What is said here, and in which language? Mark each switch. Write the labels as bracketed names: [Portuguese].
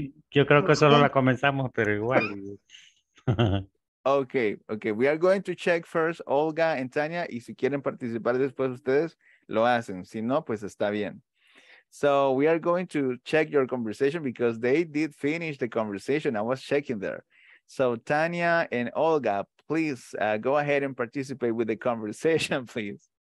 [Spanish] yo creo que solo la comenzamos, pero igual. [English] Okay. We are going to check first Olga and Tania. [Spanish] Y si quieren participar después ustedes, lo hacen. Si no, pues está bien. [English] So we are going to check your conversation because they did finish the conversation. I was checking there. So Tania and Olga, please go ahead and participate with the conversation, please.